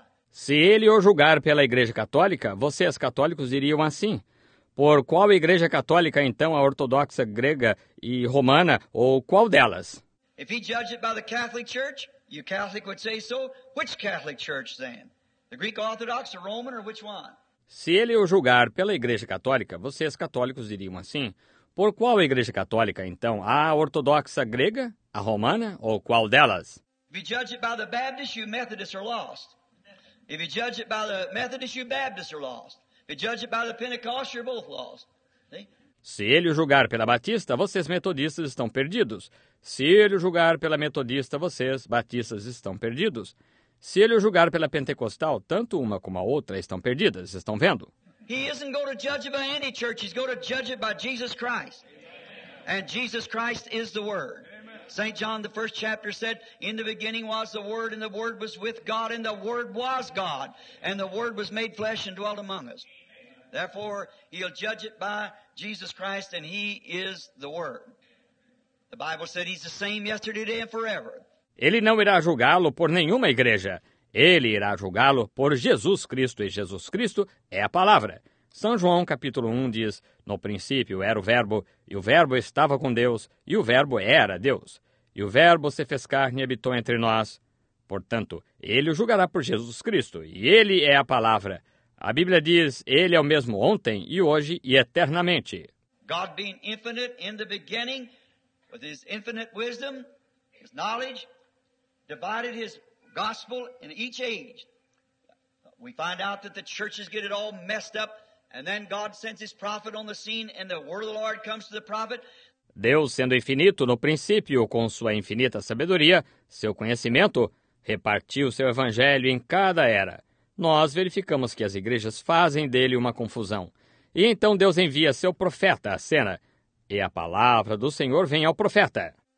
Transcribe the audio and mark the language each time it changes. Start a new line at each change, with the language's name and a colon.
Portuguese: Se ele o julgar pela Igreja Católica, vocês católicos diriam assim. Por qual Igreja Católica, então, a ortodoxa grega e romana, ou qual delas?
English: If he judged it by the Catholic Church, you Catholic would say so. Which Catholic Church then? The Greek Orthodox, the Roman, or which one?
Portuguese: Se ele o julgar pela Igreja Católica, vocês católicos diriam assim, por qual Igreja Católica, então? A Ortodoxa Grega, a Romana, ou qual delas?
English: If you judge it by the Baptist, you Methodists are lost. If you judge it by the Methodist, you Baptists are lost. If you judge it by the Pentecost, you're both lost.
Portuguese: Se ele o julgar pela Batista, vocês metodistas estão perdidos. Se ele o julgar pela metodista, vocês, batistas, estão perdidos. Se ele o julgar pela pentecostal, tanto uma como a outra estão perdidas. Estão vendo?
English: He isn't going to judge it by any church. He's going to judge it by Jesus Christ. And Jesus Christ is the Word. St. John, the first chapter, said, In the beginning was the Word, and the Word was with God, and the Word was God. And the Word was made flesh and dwelt among us. Therefore, he'll judge it by Jesus Christ, and he is the Word. The Bible said he's the same yesterday, today, and forever.
Portuguese: Ele não irá julgá-lo por nenhuma igreja. Ele irá julgá-lo por Jesus Cristo, e Jesus Cristo é a palavra. São João, capítulo 1, diz, No princípio era o verbo estava com Deus, e o verbo era Deus. E o verbo se fez carne e habitou entre nós. Portanto, ele o julgará por Jesus Cristo, e ele é a palavra. A Bíblia diz, ele é o mesmo ontem, e hoje, e eternamente.
English: God being infinite in the beginning, with his infinite wisdom, his knowledge, divided his gospel in each age. We find out that the churches get it all messed up, and then God sends his prophet on the scene, and the word of the Lord comes to the prophet.
Portuguese: Deus, sendo infinito no princípio, com sua infinita sabedoria, seu conhecimento, repartiu seu evangelho em cada era. Nós verificamos que as igrejas fazem dele uma confusão. E então Deus envia seu profeta à cena, e a palavra do Senhor vem ao profeta.